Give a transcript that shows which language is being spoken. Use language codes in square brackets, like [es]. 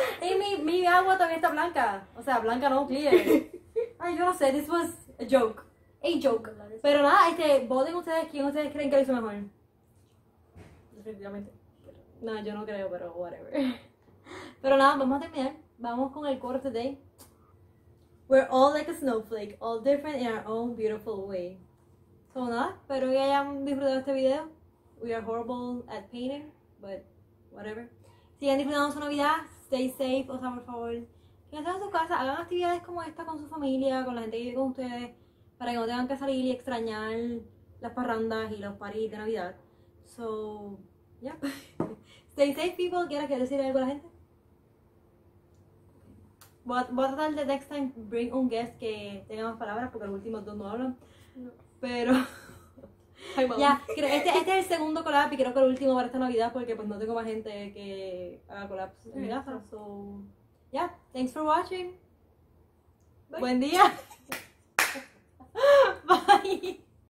[es] Y mi agua todavía está blanca. O sea, blanca no, clear. Ay, yo no sé, [en] this was a joke. [es] Pero nada, voten ustedes quién ustedes creen que lo hizo mejor. definitivamente. No, yo no creo, pero whatever. Pero nada, vamos a terminar. Vamos con el corte de... [en] We're all like a snowflake, all different in our own beautiful way. [es] So nada, espero que hayan disfrutado este video. [en] We are horrible at painting, but whatever. [es] Sigan disfrutando su Navidad, [en] stay safe, [es] o sea, por favor. Quédense en su casa, hagan actividades como esta con su familia, con la gente que vive con ustedes, para que no tengan que salir y extrañar las parrandas y los parties de Navidad. [en] So, yeah. Stay safe, people. [es] ¿Quieres decir algo a la gente? Voy a tratar de [en] next time bring [es] un guest que tenga más palabras, porque los últimos dos no hablan. Pero... Ya, yeah, este es el segundo collab y creo que el último para esta Navidad, porque pues no tengo más gente que haga collabs en mi casa. [en] So, yeah, thanks for watching. Bye. [es] Buen día. [en] Bye.